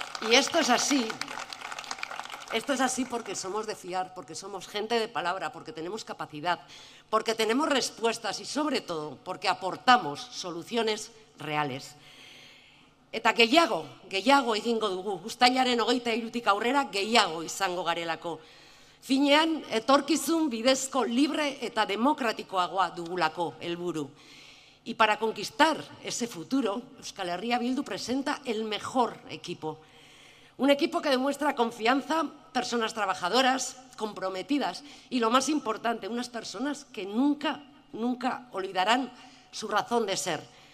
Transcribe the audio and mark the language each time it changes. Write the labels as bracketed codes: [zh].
[es] Y esto es así porque somos de fiar, porque somos gente de palabra, porque tenemos capacidad, porque tenemos respuestas y, sobre todo, porque aportamos soluciones reales. [eu] Eta gehiago egingo dugu, uztailaren 23tik aurrera gehiago izango garelako. Finean, etorkizun bidezko libre eta demokratikoagoa dugulako helburu. [es] Y para conquistar ese futuro, Euskal Herria Bildu presenta el mejor equipo. Un equipo que demuestra confianza, personas trabajadoras, comprometidas y, lo más importante, unas personas que nunca, nunca olvidarán su razón de ser.